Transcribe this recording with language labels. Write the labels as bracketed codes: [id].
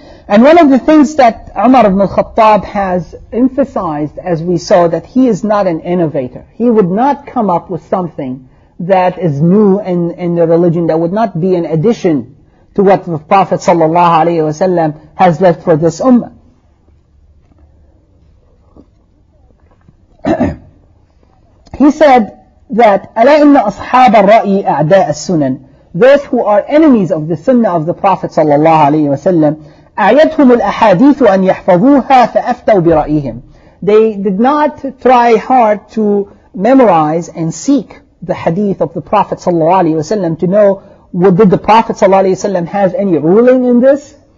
[en] And one of the things that Umar ibn al-Khattab has emphasized, as we saw, that he is not an innovator. He would not come up with something that is new in the religion, that would not be an addition to what the Prophet sallallahu alaihi wasallam has left for this ummah. He said that, [ar] أَلَا إِنَّ أَصْحَابَ الرَّأِي أَعْدَاءَ السُّنَنِ. [en] Those who are enemies of the sunnah of the Prophet sallallahu alaihi wasallam, [ar] أَعْيَدْهُمُ الْأَحَادِيثُ أَنْ يَحْفَظُوهَا فَأَفْتَوْ بِرَأِيهِمْ. [en] They did not try hard to memorize and seek the hadith of the Prophet sallallahu alaihi wasallam to know, well, did the Prophet sallallahu alaihi wasallam have any ruling in this?